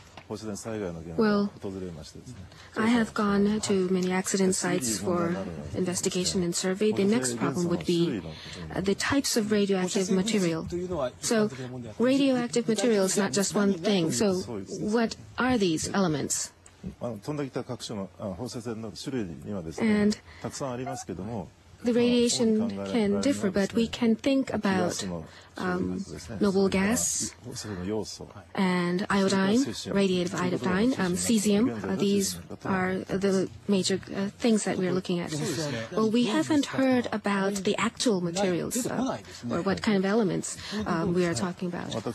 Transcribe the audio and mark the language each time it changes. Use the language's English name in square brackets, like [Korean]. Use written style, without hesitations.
[Japanese] 放射線災害の現場を訪れましてですね。 [English] I have gone to many accident sites for investigation and survey. The next problem would be the types of radioactive material. So radioactive material is not just one thing. So what are these elements? [Japanese] 飛んできた各所の放射線の種類にはですね、たくさんありますけども、 [English] The radiation can differ, but we can think about noble gas and iodine, radiative iodine, cesium. These are the major things that we are looking at. Well, we haven't heard about the actual materials or what kind of elements we are talking about.